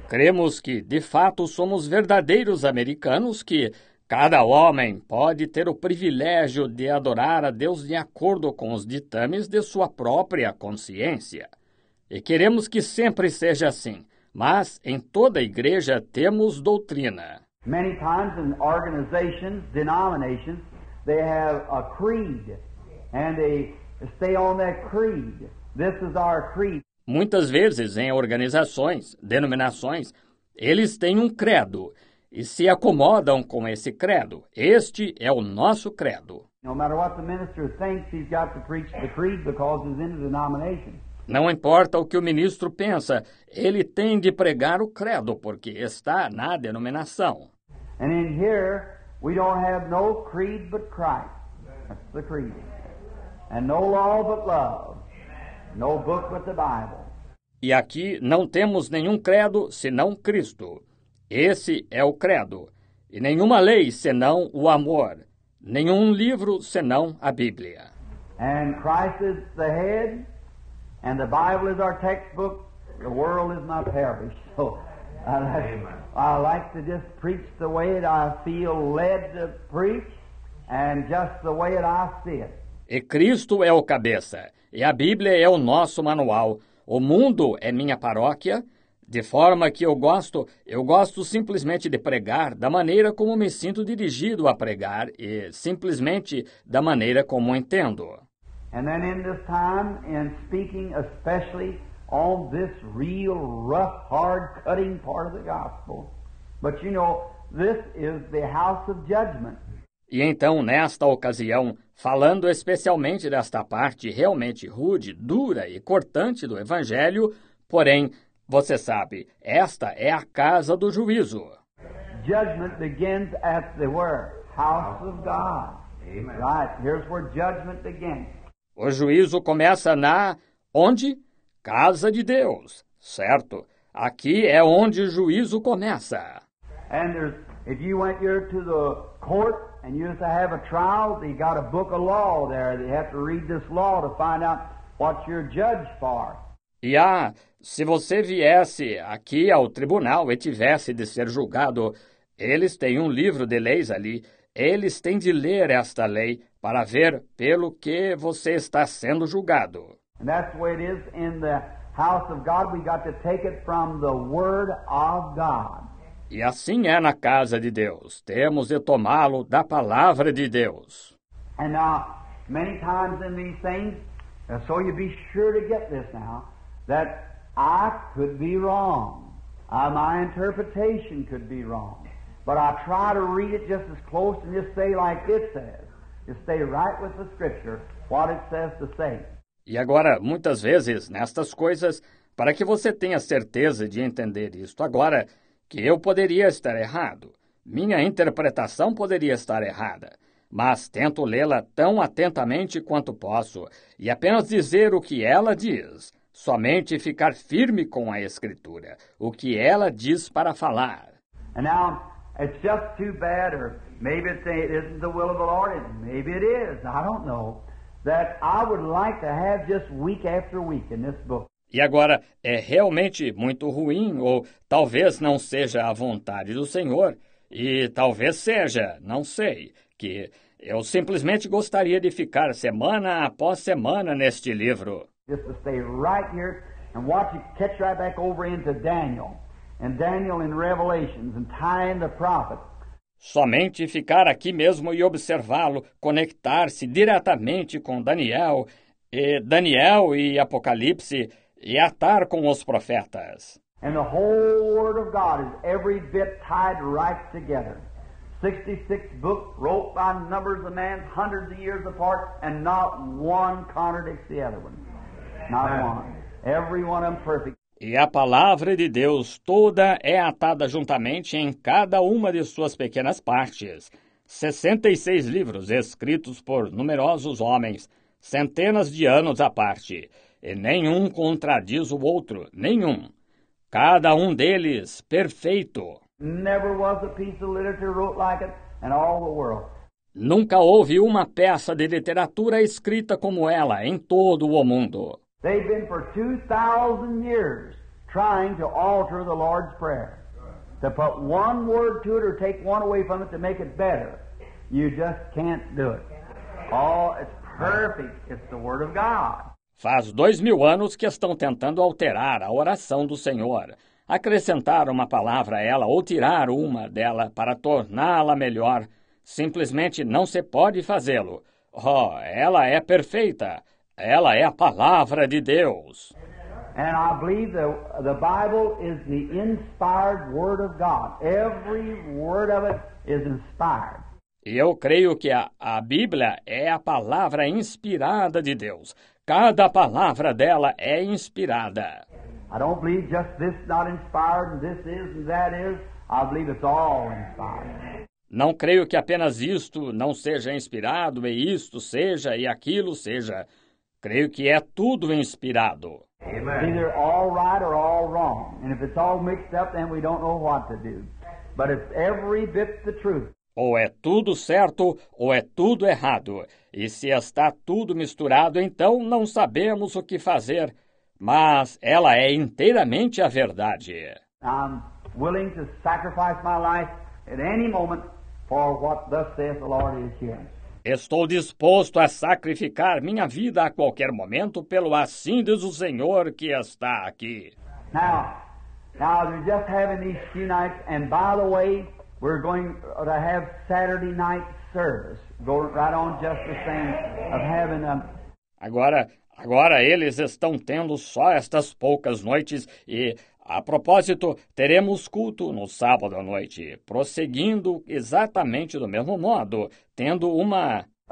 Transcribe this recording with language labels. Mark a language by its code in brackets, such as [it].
[pt] Cremos que, de fato, somos verdadeiros americanos, que cada homem pode ter o privilégio de adorar a Deus de acordo com os ditames de sua própria consciência. E queremos que sempre seja assim. Mas em toda a igreja temos doutrina. [en] Many times in organizations, denominations, they have a creed, and they stay on that creed. This is our creed. [pt] Muitas vezes, em organizações, denominações, eles têm um credo e se acomodam com esse credo. Este é o nosso credo. [en] No matter what the minister thinks, he's got to preach the creed because he's in the denomination. [pt] Não importa o que o ministro pensa, ele tem de pregar o credo porque está na denominação. [en] And in here, we don't have no creed but Christ. That's the creed. And no law but love. No book but the Bible. [pt] E aqui não temos nenhum credo senão Cristo. Esse é o credo. E nenhuma lei senão o amor. Nenhum livro senão a Bíblia. [en] And Christ is the head, and the Bible is our textbook. The world is my parish. So, I like to just preach the way that I feel led to preach and just the way that I see it. [pt] E Cristo é o cabeça, e a Bíblia é o nosso manual. O mundo é minha paróquia, de forma que eu gosto simplesmente de pregar da maneira como me sinto dirigido a pregar e simplesmente da maneira como entendo. [en] And then in this time, in speaking especially on this real, rough, hard-cutting part of the gospel. But you know, this is the house of judgment. [pt] E então, nesta ocasião, falando especialmente desta parte realmente rude, dura e cortante do evangelho, porém, você sabe, esta é a casa do juízo. [en] Judgment begins at the where? House of God. Amen. Right, here's where judgment begins. [pt] O juízo começa na... onde? Casa de Deus, certo? Aqui é onde o juízo começa. [en] And there's, if you went here to the court and you used to have a trial, they got a book of law there. They have to read this law to find out what you're judged for. [pt] E ah, se você viesse aqui ao tribunal e tivesse de ser julgado, eles têm um livro de leis ali. Eles têm de ler esta lei para ver pelo que você está sendo julgado. [en] And that's the way it is in the house of God. We got to take it from the Word of God. [pt] E assim é na casa de Deus. Temos de tomá-lo da palavra de Deus. [en] And now, many times in these things, so you be sure to get this now, that I could be wrong. My interpretation could be wrong. But I try to read it just as close and just say like it says. Just stay right with the Scripture, what it says to say. [pt] E agora, muitas vezes, nestas coisas, para que você tenha certeza de entender isto agora, que eu poderia estar errado, Minha interpretação poderia estar errada, mas tento lê-la tão atentamente quanto posso e apenas dizer o que ela diz. Somente ficar firme com a Escritura, o que ela diz para falar. [en] And now, it's just too bad, or maybe it isn't the will of the Lord, and maybe it is, I don't know, that I would like to have just week after week in this book. [pt] E agora, é realmente muito ruim, ou talvez não seja a vontade do Senhor, e talvez seja, não sei, que eu simplesmente gostaria de ficar semana após semana neste livro. [en] Just to stay right here and watch it catch right back over into Daniel, and Daniel in Revelations, and tie in the prophet. [pt] Somente ficar aqui mesmo e observá-lo, conectar-se diretamente com Daniel, e Daniel e Apocalipse, e atar com os profetas. [en] And the whole word of God is every bit tied right together. 66 books wrote by numbers of men, hundreds of years apart, and not one contradicts the other one. Not one. Every one of them perfect. [pt] E a palavra de Deus toda é atada juntamente em cada uma de suas pequenas partes. 66 livros escritos por numerosos homens, centenas de anos à parte. E nenhum contradiz o outro, nenhum. Cada um deles perfeito. [en] Never was a piece of literature wrote like it in all the world. [pt] Nunca houve uma peça de literatura escrita como ela em todo o mundo. [en] They've been for 2,000 years trying to alter the Lord's Prayer. To put one word to it or take one away from it to make it better. You just can't do it. Oh, it's perfect. It's the Word of God. [pt] Faz 2,000 anos que estão tentando alterar a oração do Senhor, acrescentar uma palavra a ela ou tirar uma dela para torná-la melhor. Simplesmente não se pode fazê-lo. Oh, ela é perfeita. Ela é a palavra de Deus. [en] And I believe the Bible is the inspired word of God. Every word of it is inspired. [pt] E eu creio que a Bíblia é a palavra inspirada de Deus. Cada palavra dela é inspirada. [en] I don't believe just this not inspired and this is and that is. I believe it's all inspired. [pt] Não creio que apenas isto não seja inspirado e isto seja e aquilo seja. Creio que é tudo inspirado. [en] Either all right or all wrong. And if it's all mixed up, then we don't know what to do. But it's every bit the truth. [pt] Ou é tudo certo ou é tudo errado. E se está tudo misturado, então não sabemos o que fazer. Mas ela é inteiramente a verdade. [en] I'm willing to sacrifice my life at any moment for what thus saith the Lord is here. [pt] Estou disposto a sacrificar minha vida a qualquer momento pelo assim diz o Senhor que está aqui. [en] Now we're just having these few nights, and by the way, we're going to have Saturday night service. Go right on just the same of having them. [pt] Agora eles estão tendo só estas poucas noites e, a propósito, teremos culto no sábado à noite, prosseguindo exatamente do mesmo modo, tendo uma...